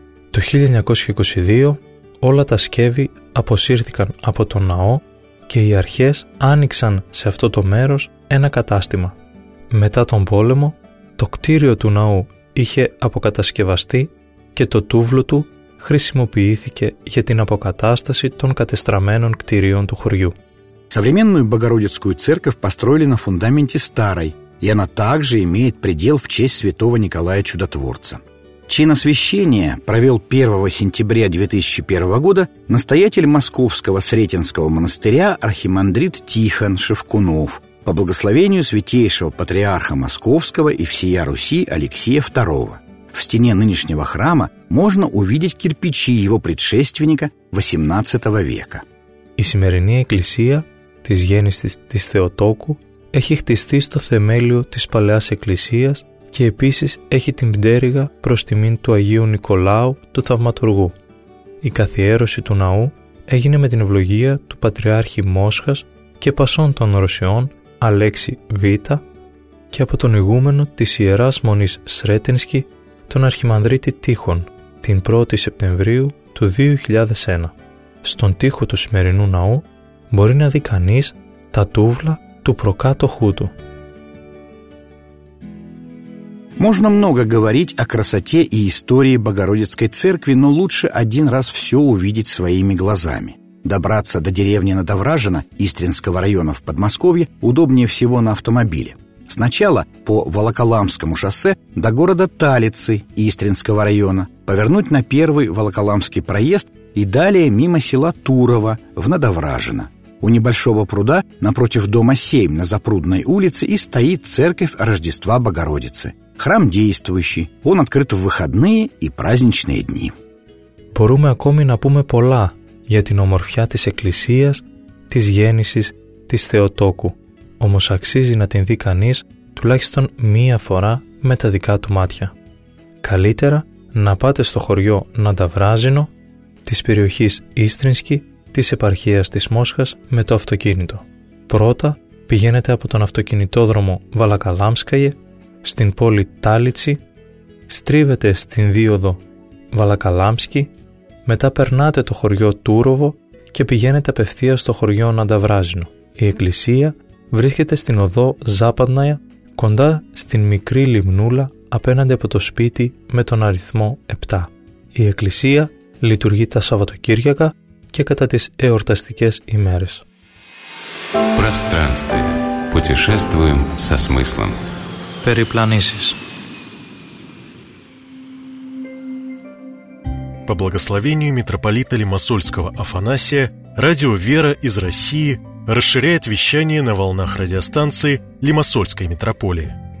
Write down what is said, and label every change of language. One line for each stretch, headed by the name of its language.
Greek: Το 1922 όλα τα σκεύη αποσύρθηκαν από τον ναό και οι αρχές άνοιξαν σε αυτό το μέρος ένα κατάστημα. Μετά τον πόλεμο, το κτίριο του ναού είχε αποκατασκευαστεί και το τούβλο του χρησιμοποιήθηκε για την αποκατάσταση των κατεστραμμένων κτιρίων του χωριού.
Russian: Современную Богородицкую церковь построили на фундаменте старой, и она также имеет предел в честь святого Николая Чудотворца. Чиносвящение провел 1 сентября 2001 года настоятель Московского Сретенского монастыря архимандрит Тихон Шевкунов по благословению святейшего патриарха Московского и всея Руси Алексея II. В стене нынешнего храма можно увидеть кирпичи его предшественника 18 века.
Greek: Η сегодняшняя εκκλησία της γέννησης της Θεοτόκου έχει χτιστεί στο θεμέλιο της παλαιάς εκκλησίας και επίσης έχει την πτέρυγα προς τιμήν του Αγίου Νικολάου του Θαυματουργού. Η καθιέρωση του ναού έγινε με την ευλογία του Πατριάρχη Μόσχας και Πασών των Ρωσιών Αλέξη Β και από τον ηγούμενο της Ιεράς Μονής Σρέτενσκι, τον Αρχιμανδρίτη Τείχων, την 1η Σεπτεμβρίου του 2001. Στον τοίχο του σημερινού ναού μπορεί να δει κανείς τα τούβλα του προκάτοχού του.
Russian: Можно много говорить о красоте и истории Богородицкой церкви, но лучше один раз все увидеть своими глазами. Добраться до деревни Надовражино Истринского района в Подмосковье удобнее всего на автомобиле. Сначала по Волоколамскому шоссе до города Талицы Истринского района, повернуть на первый Волоколамский проезд и далее мимо села Турово в Надовражино. У небольшого пруда напротив дома 7 на Запрудной улице и стоит церковь Рождества Богородицы. Храм действующий, он открыт в выходные и праздничные дни.
Greek: Μπορούμε ακόμη να πούμε πολλά για την ομορφιά της εκκλησίας, της γέννησης, της Θεοτόκου. Όμως αξίζει να την δει κανείς τουλάχιστον μία φορά με τα δικά του μάτια. Καλύτερα να πάτε στο χωριό Νανταβράζινο, της περιοχής Ίστρινσκι, της επαρχίας της Μόσχας με το αυτοκίνητο. Πρώτα πηγαίνετε από τον αυτοκινητόδρομο Βαλακαλάμσκαγε στην πόλη Τάλιτσι, στρίβετε στην δίωδο Βαλακαλάμσκι, μετά περνάτε το χωριό Τούροβο και πηγαίνετε απευθείας στο χωριό Νανταβράζινο. Η εκκλησία βρίσκεται στην οδό Ζάπαντναια, κοντά στην μικρή λιμνούλα απέναντι από το σπίτι με τον αριθμό 7. Η εκκλησία λειτουργεί τα Σαββατοκύριακα και κατά τις εορταστικές ημέρες.
Russian: Пространстве. Путешествуем со смыслом.
Greek: Περιπλανήσεις.
Russian: По благословению митрополита Лимассольского Афанасия, радио «Вера» из России расширяет вещание на волнах радиостанции Лимассольской митрополии.